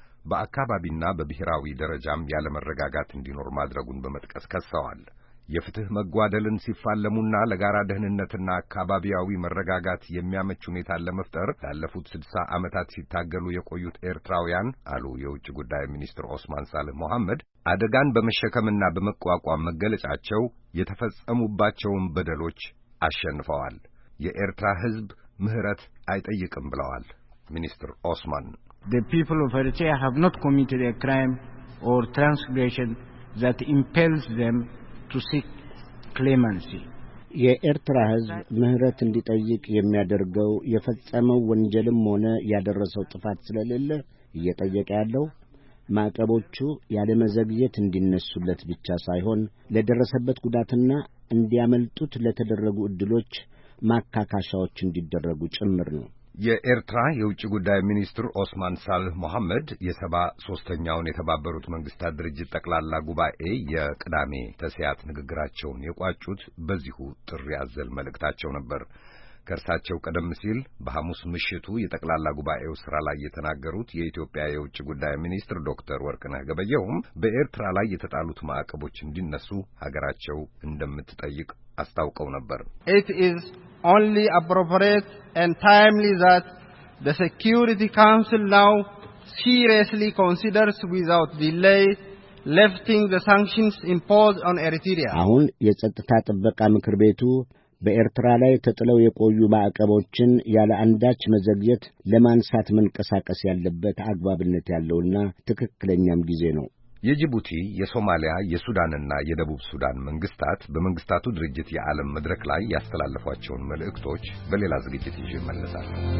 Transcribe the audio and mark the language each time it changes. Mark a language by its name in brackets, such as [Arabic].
[Amharic] በአካባቢና በብሔራዊ ደረጃም ያለመረጋጋት እንዲኖር ማድረጉን በመጥቀስ ከሰዋል። የፍትህ መጓደልን ሲፋለሙና ለጋራ ደህንነትና አካባቢያዊ መረጋጋት የሚያመች ሁኔታ ለመፍጠር ላለፉት 60 ዓመታት ሲታገሉ የቆዩት ኤርትራውያን አሉ የውጭ ጉዳይ ሚኒስትር ኦስማን ሳልህ መሐመድ፣ አደጋን በመሸከምና በመቋቋም መገለጫቸው የተፈጸሙባቸውን በደሎች አሸንፈዋል። የኤርትራ ህዝብ ምህረት አይጠይቅም ብለዋል ሚኒስትር ኦስማን። [English] The people of Eritrea have not committed a crime or transgression that impels them to seek clemency. [Amharic] የኤርትራ ህዝብ ምህረት እንዲጠይቅ የሚያደርገው የፈጸመው ወንጀልም ሆነ ያደረሰው ጥፋት ስለሌለ እየጠየቀ ያለው ማቀቦቹ ያለመዘግየት እንዲነሱለት ብቻ ሳይሆን ለደረሰበት ጉዳትና እንዲያመልጡት ለተደረጉ እድሎች ማካካሻዎች እንዲደረጉ ጭምር ነው። የኤርትራ የውጭ ጉዳይ ሚኒስትር ኦስማን ሳልህ መሐመድ የ73ኛውን የተባበሩት መንግስታት ድርጅት ጠቅላላ ጉባኤ የቅዳሜ ተሰያት ንግግራቸውን የቋጩት በዚሁ ጥሪ አዘል መልእክታቸው ነበር። ከርሳቸው ቀደም ሲል በሐሙስ ምሽቱ የጠቅላላ ጉባኤው ስራ ላይ የተናገሩት የኢትዮጵያ የውጭ ጉዳይ ሚኒስትር ዶክተር ወርቅነህ ገበየሁም በኤርትራ ላይ የተጣሉት ማዕቀቦች እንዲነሱ ሀገራቸው እንደምትጠይቅ አስታውቀው ነበር። [English] It is only appropriate and timely that the Security Council now seriously considers without delay lifting the sanctions imposed on Eritrea. [Amharic] አሁን የጸጥታ ጥበቃ ምክር ቤቱ በኤርትራ ላይ ተጥለው የቆዩ ማዕቀቦችን ያለ አንዳች መዘግየት ለማንሳት መንቀሳቀስ ያለበት አግባብነት ያለውና ትክክለኛም ጊዜ ነው። የጅቡቲ፣ የሶማሊያ፣ የሱዳንና የደቡብ ሱዳን መንግስታት በመንግስታቱ ድርጅት የዓለም መድረክ ላይ ያስተላለፏቸው መልእክቶች በሌላ ዝግጅት ይመለሳሉ።